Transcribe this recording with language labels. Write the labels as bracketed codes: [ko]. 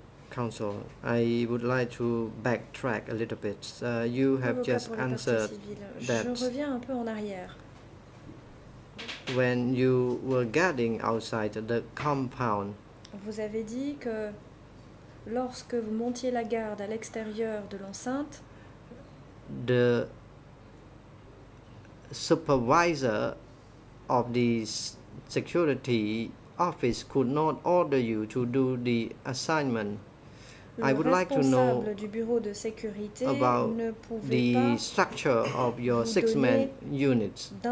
[en] Counsel, I would like to backtrack a little bit. You have just answered that when you were guarding outside the compound. [fr] Vous avez dit que lorsque vous montiez la garde à l'extérieur de l'enceinte, [en] the supervisor of the security office could not order you to do the assignment. I would like to know about the structure of your six-man units.